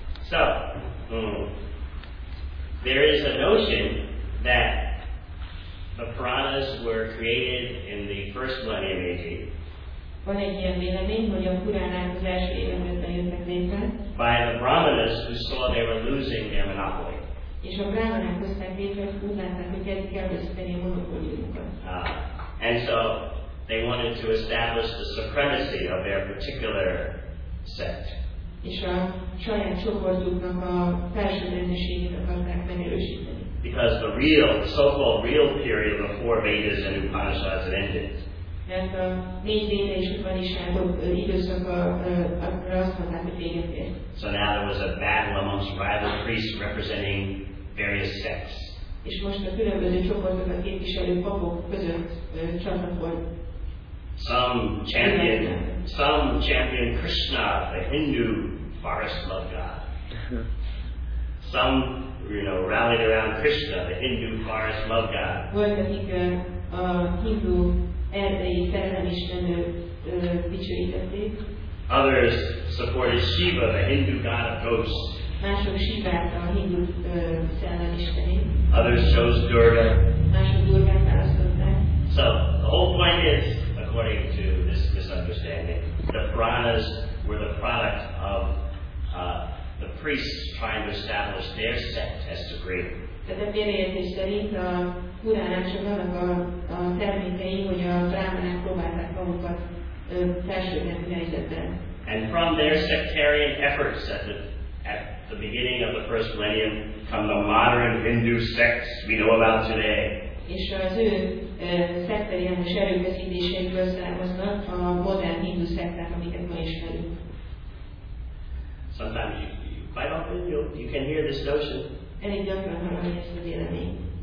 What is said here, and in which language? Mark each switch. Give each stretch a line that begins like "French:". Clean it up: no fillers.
English: So, there is a notion that the Puranas were created in the first millennium AD.
Hungarian: Van egy ilyen vélemény, hogy a Puránák az első években jöttek létre.
English: By the Brahmanas who saw they were losing their monopoly.
Hungarian: És a Brahmanák hozták létre, úgy látták, hogy kezdik el veszíteni a monopóliumukat.
English: And so they wanted to establish the supremacy of their particular sect.
Hungarian: És a saját csoportjuknak a felsőbbrendűségét akarták megerősíteni.
English: Because the real, the so-called real period of the four Vedas and Upanishads had ended.
Hungarian: Mert a négy véde és Upanishádok időszaka azt mondták, hogy véget ért.
English: So now there was a battle amongst rival priests representing various sects.
Hungarian: És most a különböző csoportokat képviselő papok között csapat volt.
English: Some champion Krishna, the Hindu forest love god. Some, you know, rallied around Krishna, the Hindu forest love god.
Hungarian: Volt, akik a Hindu erdei szerelemistenő dicsőítették.
English: Others supported Shiva, the Hindu god of ghosts.
Hungarian: Mások Shivát, a Hindu szerelemistenét.
English: Others chose Durga.
Hungarian: Mások Durgát választották.
English: So, the whole point is, according to this misunderstanding, the Puranas were the product of the priests trying to establish their sect as supreme.
Hungarian: Tehát a félreértés szerint a Puránák csak annak a termékei, hogy a Brahmanák próbálták magukat felsőbbnek helyzetben.
English: And from their sectarian efforts at the beginning of the first millennium come the modern Hindu sects we know about today.
Hungarian: És az ő szektariánus erőfeszítéseiből származnak a modern hindu szekták, amiket ma ismerünk.
English: Sometimes you quite often you can hear this notion.
Hungarian: Elég gyakran hallani ezt a véleményt.